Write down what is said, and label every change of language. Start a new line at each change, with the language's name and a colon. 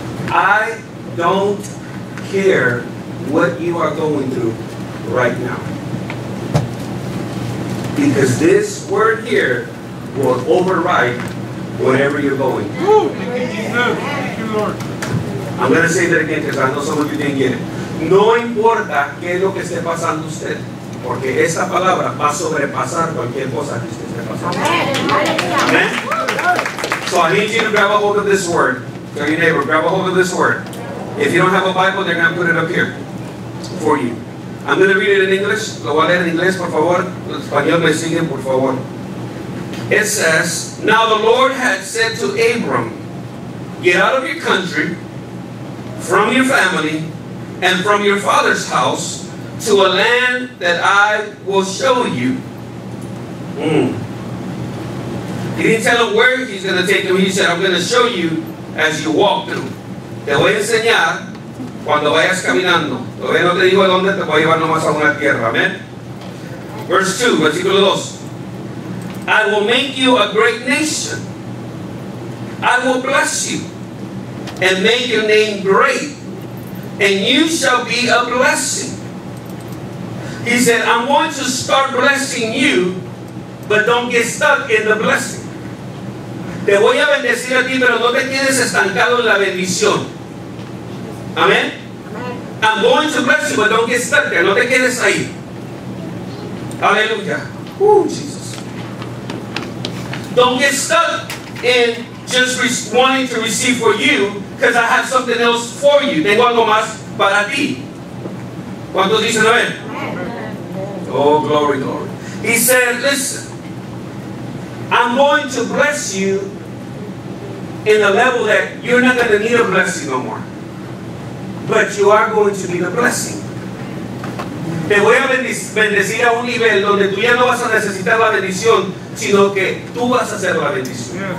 English: I don't care what you are going through right now. Because this word here will override whatever you're going through. Thank you, Jesus. Thank you, Lord. I'm going to say that again because I know some of you didn't get it.
Spanish: No importa qué es lo que esté pasando usted, porque esta palabra va a sobrepasar cualquier cosa que usted esté pasando.
English: Amen. So I need you to grab a hold of this word. Tell your neighbor, grab a hold of this word. If you don't have a Bible, they're going to put it up here for you. I'm going to read it in English.
Spanish: Lo voy a leer en inglés, por favor. En español me siguen, por favor.
English: It says, "Now the Lord had said to Abram, get out of your country, from your family, and from your father's house, to a land that I will show you." He didn't tell him where he's going to take him. He said, "I'm going to show you as you walk through.
Spanish: Te voy a enseñar cuando vayas caminando. Todavía no te digo dónde te voy a llevar nomás a una tierra."
English: Amen. Verse 2,
Spanish: versículo 2.
English: "I will make you a great nation. I will bless you and make your name great. And you shall be a blessing." He said, "I'm going to start blessing you, but don't get stuck in the blessing.
Spanish: Te voy a bendecir a ti, pero no te quedes estancado en la bendición."
English: Amen. "I'm going to bless you, but don't get stuck there.
Spanish: No te quedes ahí."
English: Aleluya. Oh, Jesus. "Don't get stuck in just wanting to receive for you, because I have something else for you."
Spanish: Tengo algo más para ti. ¿Cuántos dicen amén?
English: Oh, glory, glory. He said, "Listen, I'm going to bless you in a level that you're not going to need a blessing no more. But you are going to be the blessing.
Spanish: Te voy a bendecir a un nivel donde tú ya no vas a necesitar la bendición, sino que tú vas a ser la bendición."